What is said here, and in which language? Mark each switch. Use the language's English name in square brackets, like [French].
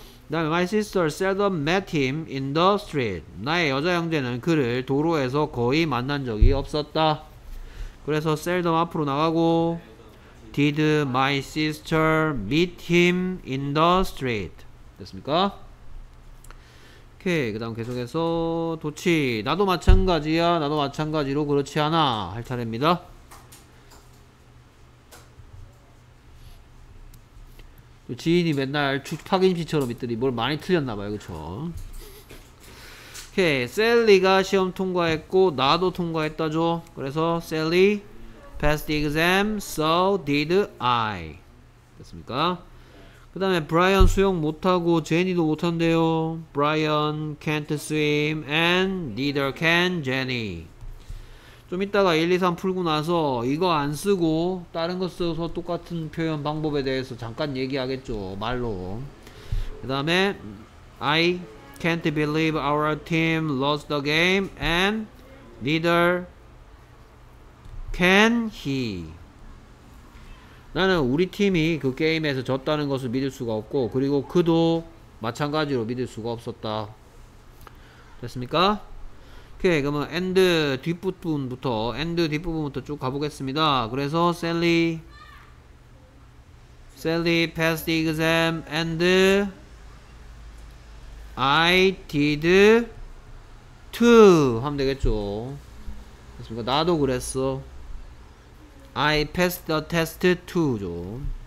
[Korean] 다음에 [English] My sister seldom met him in the street. [Korean] 나의 여자 형제는 그를 도로에서 거의 만난 적이 없었다. 그래서 [English] seldom [Korean] 앞으로 나가고 [English] Did my sister meet him in the street? [Korean] 됐습니까? 오케이. 그 다음 계속해서 도치. 나도 마찬가지야. 나도 마찬가지로 그렇지 않아. 할 차례입니다. 지인이 맨날 탁인시처럼 있더니 뭘 많이 틀렸나봐요. 그쵸? 오케이. 셀리가 시험 통과했고 나도 통과했다죠. 그래서 셀리 [English] passed the exam, so did I. [Korean] 됐습니까? 그 다음에 브라이언 수영 못하고 제니도 못한대요. [English] Brian can't swim and neither can Jenny. [Korean] 좀 이따가 1, 2, 3 풀고 나서 이거 안 쓰고 다른 거 써서 똑같은 표현 방법에 대해서 잠깐 얘기하겠죠. 말로. 그 다음에 [English] I can't believe our team lost the game and neither can he. [Korean] 나는 우리 팀이 그 게임에서 졌다는 것을 믿을 수가 없고 그리고 그도 마찬가지로 믿을 수가 없었다. 됐습니까? 오케이. 그러면 and 뒷부분부터 and 뒷부분부터 쭉 가보겠습니다. 그래서 셀리 [English] Sally passed the exam and I did too. [Korean] 하면 되겠죠. 됐습니까? 나도 그랬어. [English] I passed the test too.